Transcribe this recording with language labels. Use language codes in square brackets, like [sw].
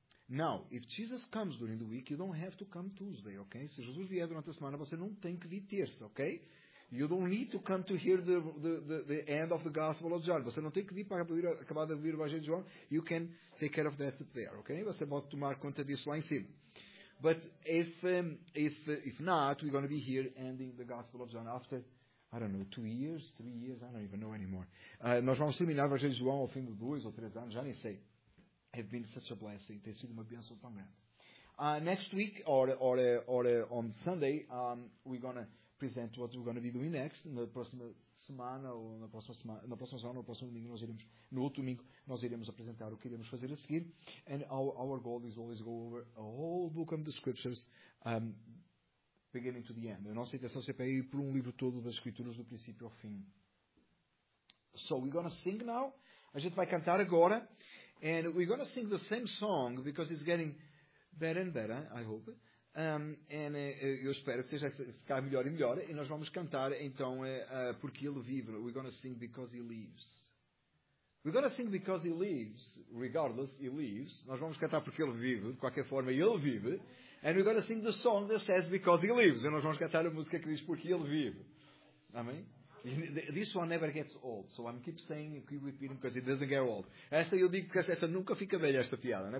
[en] Now, if Jesus comes during the week, you don't have to come Tuesday, ok? [pt] Se Jesus vier durante a semana, você não tem que vir terça, ok? [en] You don't need to come to hear the end of the Gospel of John. [pt] Você não tem que vir para acabar de ouvir o Evangelho de João. [en] You can take care of that there, ok? [pt] Você pode tomar conta disso lá em cima. [en] But if not, we're going to be here ending the Gospel of John after, I don't know, 2 years, 3 years, I don't even know anymore. [pt] Nós vamos terminar o Evangelho de João ao fim de 2 ou 3 anos, já nem sei. [en] Have been such a blessing. [pt] Tem sido uma bênção tão grande. [en] Next week, or on Sunday, we're going to present what we're going to be doing next. [pt] Na próxima semana, no outro domingo, nós iremos apresentar o que iremos fazer a seguir. [en] And our goal is always go over a whole book of the Scriptures, beginning to the end. [pt] A nossa intenção sempre é ir por um livro todo das Escrituras, do princípio ao fim. [en] So, we're going to sing now. [pt] A gente vai cantar agora. [en] And we're going to sing the same song because it's getting better and better, I hope. [pt] Eu espero que seja ficar melhor e melhor. E nós vamos cantar, então, porque Ele vive. [en] We're going to sing because He lives. We're going to sing because He lives, regardless, He lives. [pt] Nós vamos cantar porque Ele vive. De qualquer forma, Ele vive. [en] And we're going to sing the song that says because He lives. [pt] E nós vamos cantar a música que diz porque Ele vive. Amém? [en] This one never gets old, so I'm keep saying and keep repeating because it doesn't get old. [pt] Essa eu digo que essa nunca fica velha, esta piada, né?